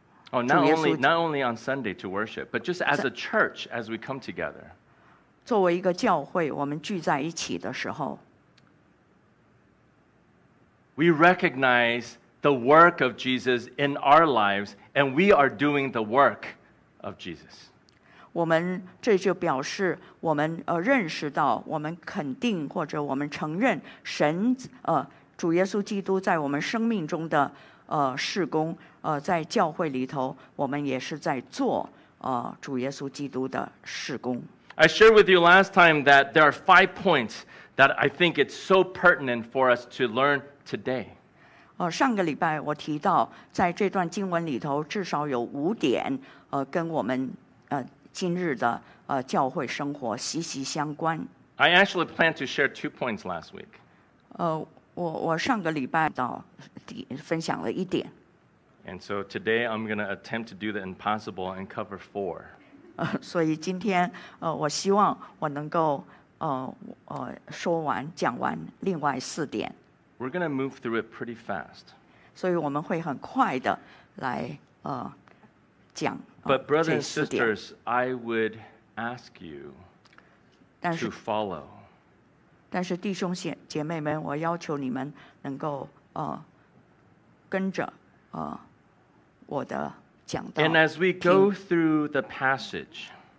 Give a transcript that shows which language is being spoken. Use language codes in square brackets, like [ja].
[en] Oh, not only on Sunday to worship, but just as a church, as we come together. [zh] 作为一个教会，我们聚在一起的时候， [en] we recognize the work of Jesus in our lives, and we are doing the work of Jesus. [zh] 我们这就表示我们认识到，我们肯定或者我们承认神主耶稣基督在我们生命中的事工。在教会里头，我们也是在做主耶稣基督的事工。 [en] I shared with you last time that there are 5 points that I think it's so pertinent for us to learn today. [zh] 上个礼拜我提到，在这段经文里头至少有五点，跟我们今日的教会生活息息相关。 [en] I actually planned to share 2 points last week. [zh] 我上个礼拜分享了一点。 [en] And so today I'm going to attempt to do the impossible and cover 4. [zh] 所以今天我希望我能够说完讲完另外4点。 [en] We're going to move through it pretty fast. [zh] 所以我们会很快的来讲。 [en] But brothers and sisters, I would ask you to follow. [zh] 但是弟兄姐妹们，我要求你们能够跟着我的讲道。 [en] And as we go through the passage,